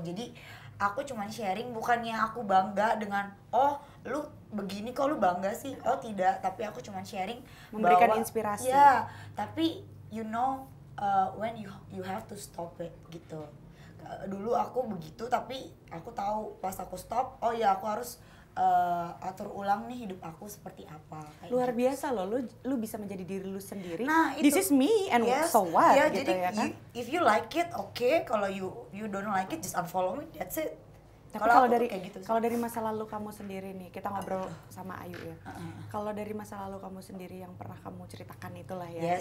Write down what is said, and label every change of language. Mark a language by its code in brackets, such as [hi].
[id] Jadi aku cuma sharing, bukannya aku bangga dengan oh lu begini kok lu bangga sih? Oh tidak. Tapi aku cuma sharing memberikan bahwa, inspirasi. Ya. [en] Tapi you know when you have to stop it gitu. [id] Dulu aku begitu, tapi aku tahu pas aku stop, oh ya aku harus atur ulang nih hidup aku seperti apa. Kayak luar gitu. Biasa loh, lu bisa menjadi diri lu sendiri. Nah, [en] this is me and yes. So what? [id] Ya, gitu, jadi ya, kan? [en] If you like it, okay. [id] Kalau [en] you don't like it, just unfollow me, that's it. [id] Tapi kalau dari gitu, kalau dari masa lalu kamu sendiri nih, kita ngobrol sama Ayu ya. Kalau dari masa lalu kamu sendiri yang pernah kamu ceritakan itulah ya,